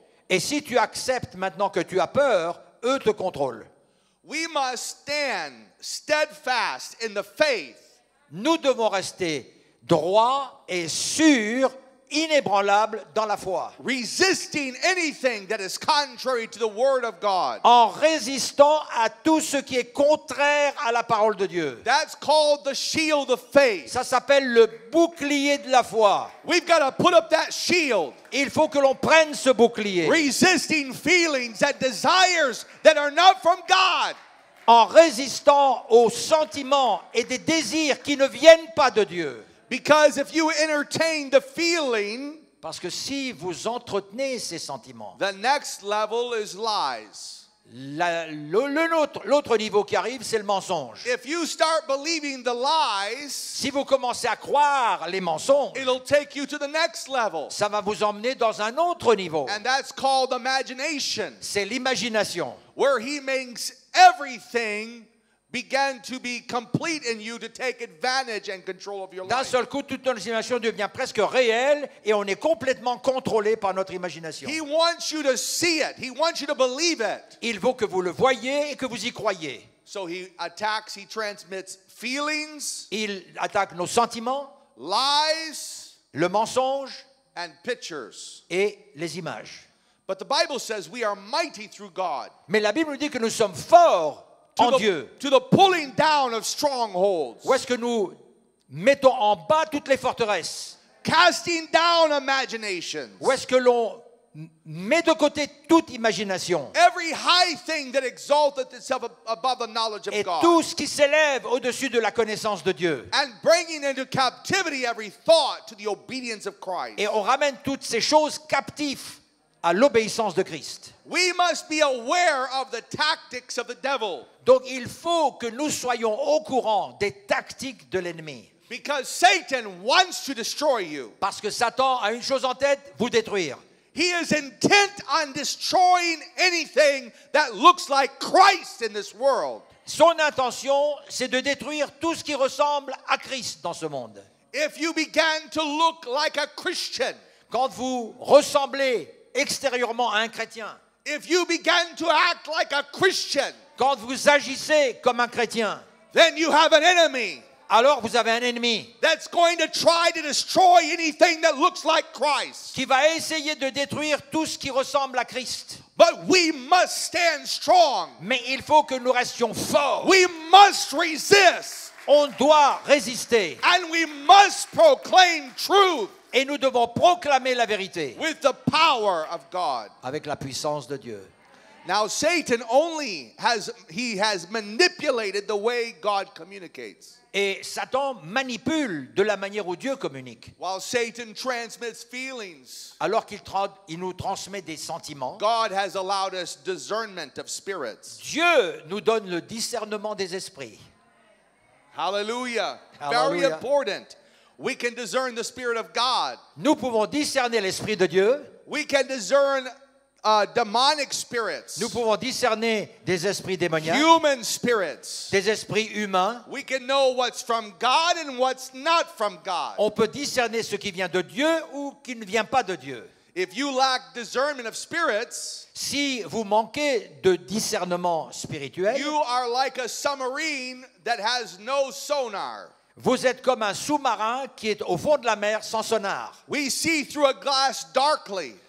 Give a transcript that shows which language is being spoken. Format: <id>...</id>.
<fr>Et si tu acceptes maintenant que tu as peur, eux te contrôlent.</fr> <en>We must stand steadfast in the faith.</en> <fr>Nous devons rester droits et sûrs inébranlable dans la foi.</fr> <en>Resisting anything that is contrary to the word of God.</en> <fr>En résistant à tout ce qui est contraire à la parole de Dieu.</fr> <en>That's called the shield of faith.</en> <fr>Ça s'appelle le bouclier de la foi.</fr> <en>We've got to put up that shield.</en> <fr>Il faut que l'on prenne ce bouclier.</fr> <en>Resisting feelings and desires that are not from God.</en> <fr>En résistant aux sentiments et des désirs qui ne viennent pas de Dieu.</fr> <en>Because if you entertain the feeling,</en> <fr>parce que si vous entretenez ces sentiments,</fr> <en>the next level is lies.</en> <fr>L'autre niveau qui arrive, c'est le mensonge.</fr> <en>If you start believing the lies,</en> <fr>si vous commencez à croire les mensonges,</fr> <en>it'll take you to the next level.</en> <fr>Ça va vous emmener dans un autre niveau.</fr> <en>And that's called imagination.</en> <fr>C'est l'imagination.</fr> <en>Where he makes everything began to be complete in you to take advantage and control of your life.</en> <fr>D'un seul coup, toute notre imagination devient presque réelle et on est complètement contrôlé par notre imagination.</fr> <en>He wants you to see it. He wants you to believe it.</en> <fr>Il veut que vous le voyez et que vous y croyez.</fr> <en>So he attacks, he transmits feelings.</en> <fr>Il attaque nos sentiments.</fr> <en>Lies.</en> <fr>Le mensonge.</fr> <en>And pictures.</en> <fr>Et les images.</fr> <en>But the Bible says we are mighty through God.</en> <fr>Mais la Bible nous dit que nous sommes forts.</fr> <en>To the pulling down of strongholds.</en> <fr>Où est-ce que nous mettons en bas toutes les forteresses?</fr> <en>Casting down imaginations.</en> <fr>Où est-ce que l'on met de côté toute imagination?</fr> <en>Every high thing that exalteth itself above the knowledge of</en> <fr>et</fr> <en>God.</en> <fr>Et tout ce qui s'élève au-dessus de la connaissance de Dieu.</fr> <en>And bringing into captivity every thought to the obedience of Christ.</en> <fr>Et on ramène toutes ces choses captives à l'obéissance de Christ.</fr> <en>We must be aware of the tactics of the devil.</en> <fr>Donc il faut que nous soyons au courant des tactiques de l'ennemi.</fr> <en>Because Satan wants to destroy you.</en> <fr>Parce que Satan a une chose en tête, vous détruire.</fr> <en>He is intent on destroying anything that looks like Christ in this world.</en> <fr>Son intention, c'est de détruire tout ce qui ressemble à Christ dans ce monde.</fr> <en>If you began to look like a Christian,</en> <fr>quand vous ressemblez extérieurement à un chrétien.</fr> <en>If you begin to act like a Christian,</en> <fr>quand vous agissez comme un chrétien,</fr> <en>then you have an enemy.</en> <fr>Alors vous avez un ennemi.</fr> <en>That's going to try to destroy anything that looks like Christ.</en> <fr>Qui va essayer de détruire tout ce qui ressemble à Christ.</fr> <en>But we must stand strong.</en> <fr>Mais il faut que nous restions forts.</fr> <en>We must resist.</en> <fr>On doit résister.</fr> <en>And we must proclaim truth.</en> <fr>Et nous devons proclamer la vérité</fr> <en>with the power of God.</en> <fr>Avec la puissance de Dieu.</fr> <en>Now Satan only has he has manipulated the way God communicates.</en> <fr>Et Satan manipule de la manière où Dieu communique.</fr> <en>While Satan transmits feelings.</en> <fr>Alors qu'il nous transmet des sentiments.</fr> <en>God has allowed us discernment of spirits.</en> <fr>Dieu nous donne le discernement des esprits.</fr> <en>Hallelujah. Very important. We can discern the spirit of God.</en> <fr>Nous pouvons discerner l'esprit de Dieu.</fr> <en>We can discern demonic spirits.</en> <fr>Nous pouvons discerner des esprits démoniaques.</fr> <en>Human spirits.</en> <fr>Des esprits humains.</fr> <en>We can know what's from God and what's not from God.</en> <fr>On peut discerner ce qui vient de Dieu ou qui ne vient pas de Dieu.</fr> <en>If you lack discernment of spirits,</en> <fr>si vous manquez de discernement spirituel,</fr> <en>you are like a submarine that has no sonar.</en> <fr>Vous êtes comme un sous-marin qui est au fond de la mer sans sonar.</fr> <en>We see through a glass darkly.</en>